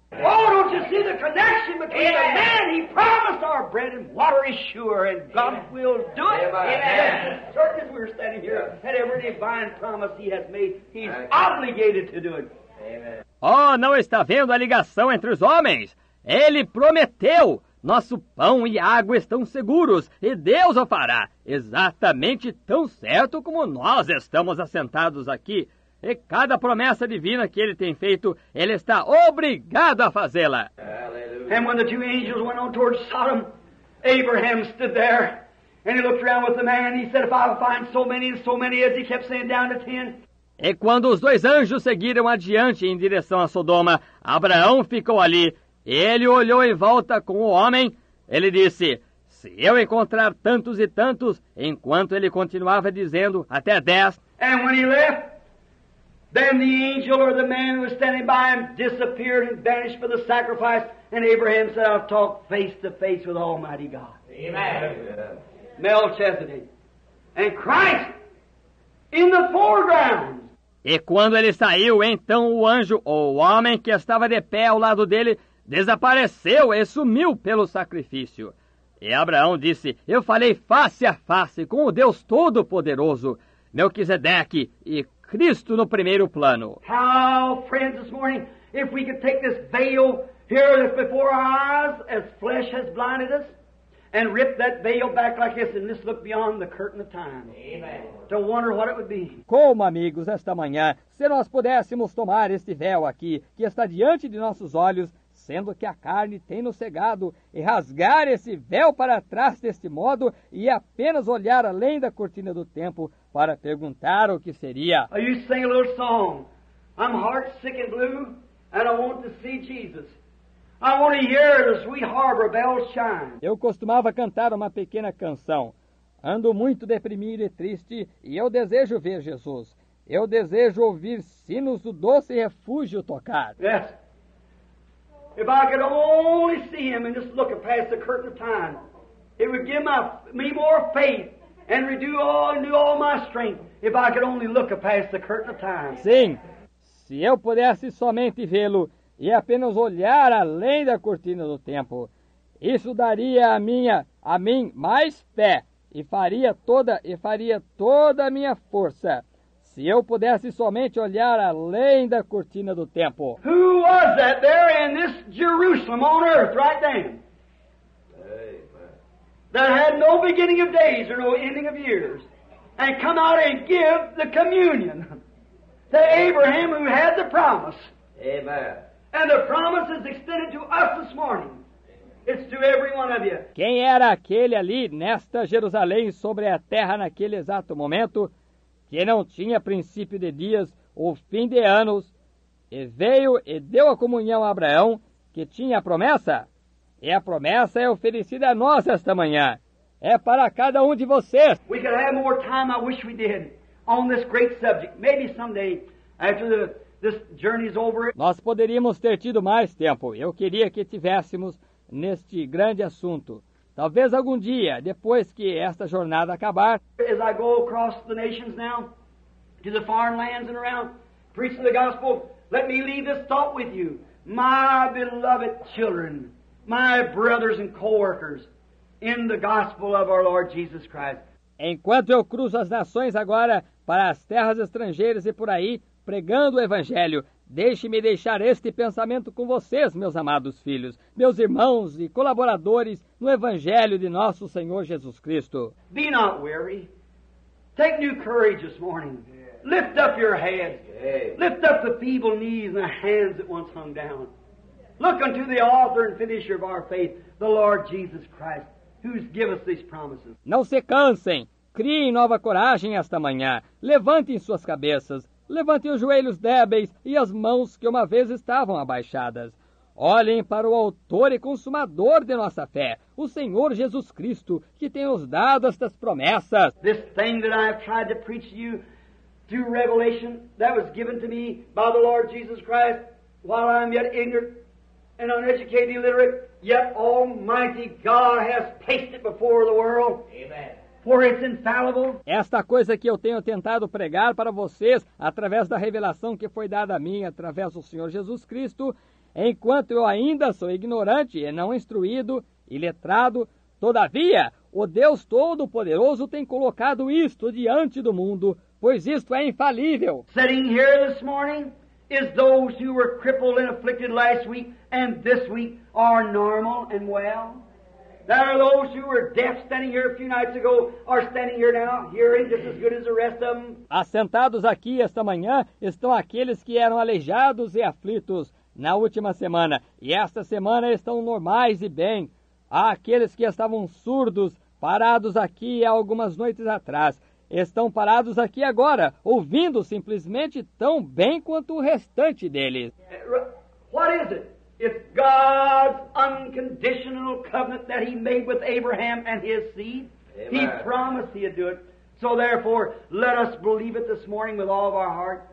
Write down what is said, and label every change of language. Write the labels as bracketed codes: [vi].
[en] Oh, don't you see the connection between the man he promised our bread and water is sure and God will do it. Amen. Certain as we're standing here, that every divine promise he has made, he's obligated to do it. Amen. [pt] Oh, não está vendo a ligação entre os homens? Ele prometeu! Nosso pão e água estão seguros, e Deus o fará, exatamente tão certo como nós estamos assentados aqui. E cada promessa divina que ele tem feito, ele está obrigado a fazê-la. [en] And when the two angels went on towards Sodom, Abraham stood there, and he looked around with the man, and he said, if I find so many as he kept saying down to ten. [pt] E quando os dois anjos seguiram adiante em direção a Sodoma, Abraão ficou ali. Ele olhou em volta com o homem, ele disse, se eu encontrar tantos e tantos, enquanto ele continuava dizendo, até 10. [en] And when he left, then the angel or the man who was standing by him disappeared and vanished for the sacrifice, and Abraham said, I'll talk face to face with Almighty God. Amen. Melchizedek. And Christ in the foreground. [pt] E quando ele saiu, então o anjo, ou o homem que estava de pé ao lado dele, desapareceu e sumiu pelo sacrifício. E Abraão disse, eu falei face a face com o Deus Todo-Poderoso, Melquisedeque e Cristo no primeiro plano. [en] How, friends, this morning, if we could take this veil here before our eyes, as flesh has blinded us, and rip that veil back like this and just look beyond the curtain of time. Amen. To wonder what it would be. [pt] Como, amigos, esta manhã, se nós pudéssemos tomar este véu aqui, que está diante de nossos olhos, sendo que a carne tem nos cegado, e rasgar esse véu para trás deste modo, e apenas olhar além da cortina do tempo para perguntar o que seria. [en] Are you singing a little song? I'm heart sick and blue, and I want to see Jesus. I want to hear the sweet harbor bells shine. [pt] Eu costumava cantar uma pequena canção. Ando muito deprimido e triste, e eu desejo ver Jesus. Eu desejo ouvir sinos do doce refúgio tocar. [en] Yes. If I could only see him and just look past the curtain of time, it would give me more faith and renew all my strength if I could only look past the curtain of time. [pt] Sim, se eu pudesse somente vê-lo e apenas olhar além da cortina do tempo, isso daria a mim mais fé e faria toda a minha força. Se eu pudesse somente olhar além da cortina do tempo. [en] Who was that there in this Jerusalem on earth right then? Amen. That had no beginning of days or no ending of years. And come out and give the communion to Abraham who had the promise. Amen. And the promise is extended to us this morning. It's to every one of you. [pt] Quem era aquele ali nesta Jerusalém sobre a terra naquele exato momento, que não tinha princípio de dias ou fim de anos, e veio e deu a comunhão a Abraão, que tinha a promessa? E a promessa é oferecida a nós esta manhã. É para cada um de vocês. [en] We could have more time, I wish we did, on this great subject. Maybe someday, after this journey's over. [pt] Nós poderíamos ter tido mais tempo. Eu queria que tivéssemos neste grande assunto. Talvez algum dia, depois que esta jornada acabar, [en] as I go across the nations now, to the foreign lands and around, preaching the gospel, let me leave this thought with you. My beloved children, my brothers and co-workers, in the gospel of our Lord Jesus Christ. [pt] Enquanto eu cruzo as nações agora, para as terras estrangeiras e por aí, pregando o evangelho, deixe-me deixar este pensamento com vocês, meus amados filhos, meus irmãos e colaboradores no Evangelho de nosso Senhor Jesus Cristo. [en] Be not weary. Take new courage this morning. Yeah. Lift up your head. Yeah. Lift up the feeble knees and the hands that once hung down. Look unto the author and finisher of our faith, the Lord Jesus Christ, who's given us these promises. [pt] Não se cansem. Criem nova coragem esta manhã. Levantem suas cabeças. Levantem os joelhos débeis e as mãos que uma vez estavam abaixadas. Olhem para o autor e consumador de nossa fé, o Senhor Jesus Cristo, que tem nos dado estas promessas. [en] This thing that I have tried to preach to you through revelation that was given to me by the Lord Jesus Christ while I am yet ignorant and uneducated and illiterate, yet Almighty God has placed it before the world. Amen. For it's infallible. [pt] Esta coisa que eu tenho tentado pregar para vocês através da revelação que foi dada a mim através do Senhor Jesus Cristo, enquanto eu ainda sou ignorante e não instruído e letrado, todavia, o Deus Todo-Poderoso tem colocado isto diante do mundo, pois isto é infalível. [en] Sitting here this morning is those who were crippled and afflicted last week and this week are normal and well. There are those who were deaf standing here a few nights ago are standing here now, hearing just as good as the rest of them. [pt] Assentados aqui esta manhã estão aqueles que eram aleijados e aflitos na última semana. E esta semana estão normais e bem. Há aqueles que estavam surdos, parados aqui há algumas noites atrás. Estão parados aqui agora, ouvindo simplesmente tão bem quanto o restante deles. [en] What is it? It's God's unconditional covenant that he made with Abraham and his seed. Amen. He promised he'd do it. So therefore, let us believe it this morning with all of our heart.